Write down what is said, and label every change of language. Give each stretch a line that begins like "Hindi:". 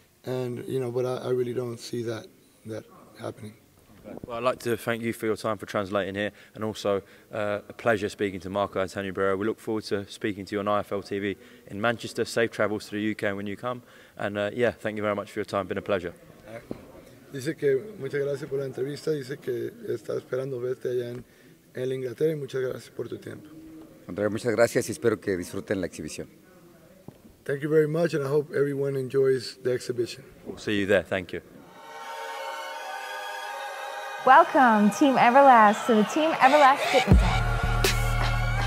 English: And, you know, but I really don't see that happening. Well, I'd like to thank you for your time for translating here, and also a pleasure speaking to Marco Antonio Barrera. We look forward to speaking to you on IFL TV in Manchester. Safe travels to the UK when you come. And yeah, thank you very much for your time. Been a pleasure.
Spanish: Dice que muchas gracias por la entrevista. Dice que está esperando verte allá en Inglaterra y muchas gracias por tu tiempo. Andrea, muchas gracias y espero que disfruten la exhibición.
English: Thank you very much and I hope everyone enjoys the exhibition. We'll see you there. Thank you. Welcome, Team Everlast, to the Team Everlast Fitness app.